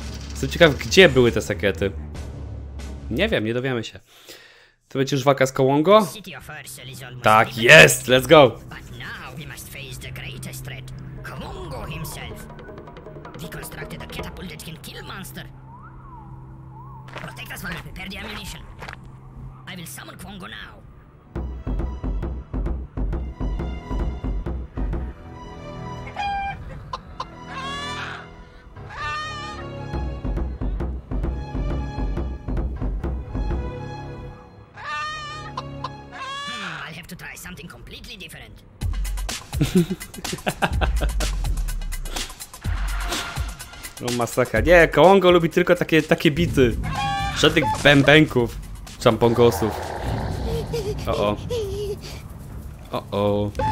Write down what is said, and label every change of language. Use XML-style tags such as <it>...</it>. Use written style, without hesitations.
<pl>Jestem ciekaw, gdzie były te sekiety. Nie wiem, nie dowiemy się. To będzie już walka z Kwongo? Tak, jest!</pl> <en>Let's go! We must face the greatest threat, Kwongo himself. We constructed a catapult that can kill monster. Protect us while we prepare the ammunition. I will summon Kwongo now. I'll have to try something completely different.</en> <pl>No masakra, nie, Kwongo lubi tylko takie bity. Żadnych bębenków, czampongosów. O-o.</pl>